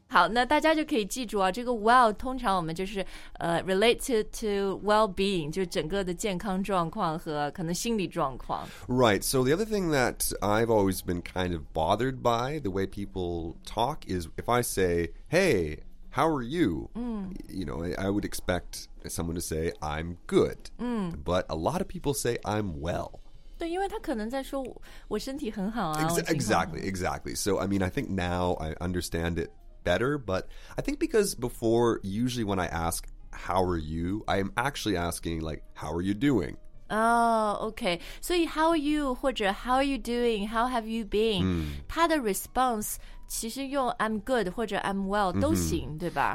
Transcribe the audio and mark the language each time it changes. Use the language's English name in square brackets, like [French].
[Chinese] 好那大家就可以记住啊这个 well 通常我们就是 [English] related to well-being [Chinese] 就整个的健康状况和可能心理状况 [English] Right, so the other thing that I've always been kind of bothered by the way people talk is if I say, hey, how are you?、You know, I would expect someone to say, I'm good、But a lot of people say, I'm well [Chinese] 对，因为他可能在说我身体很好啊。 [English] Exactly. So, I mean, I think now I understand it better, but I think because before, usually when I ask, how are you, I am actually asking, like, how are you doing? Oh, okay. So, how are you, 或者 how are you doing, how have you been?、他的 response [Chinese] 其实用 [English] I'm good 或者 I'm well 都行、对吧